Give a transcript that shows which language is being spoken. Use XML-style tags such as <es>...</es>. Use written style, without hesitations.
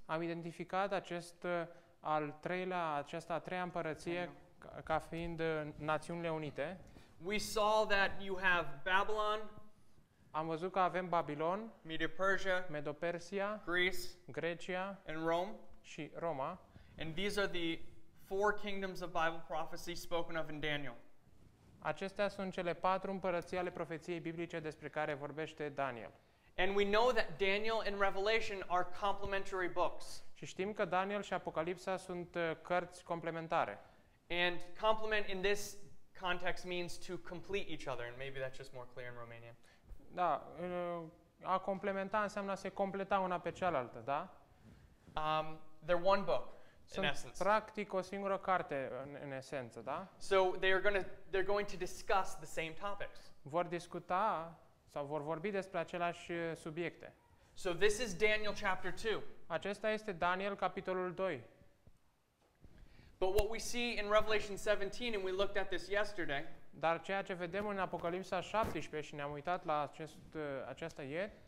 <ro>Am identificat această a treia împărăție ca fiind Națiunile Unite.</ro> <en>We saw that you have Babylon.</en> <ro>Am văzut că avem Babilon,</ro> <en>Medo-Persia, Greece,</en> <ro>Grecia,</ro> <en>and Rome,</en> <ro>și Roma.</ro> <en>And these are the four kingdoms of Bible prophecy spoken of in Daniel.</en> <ro>Acestea sunt cele patru împărății ale profeției biblice despre care vorbește Daniel.</ro> <en>And we know that Daniel and Revelation are complementary books.</en> <ro>Și știm că Daniel și Apocalipsa sunt cărți complementare.</ro> <en>And complement in this context means to complete each other, and maybe that's just more clear in Romanian.</en> <ro>Da, a complementa înseamnă a se completa una pe cealaltă, da?</ro> <en>They're one book,</en> <ro>sunt</ro> <en>in essence.</en> <ro>Practic o singură carte în esență, da?</ro> <en>So they're going to discuss the same topics.</en> <ro>Vor discuta sau vor vorbi despre aceleași subiecte.</ro> <en>So this is Daniel chapter 2.</en> <ro>Acesta este Daniel capitolul 2.</ro> <en>But what we see in Revelation 17, and we looked at this yesterday,</en> <ro>dar ceea ce vedem în Apocalipsa 17 și ne-am uitat la aceasta ieri,</ro>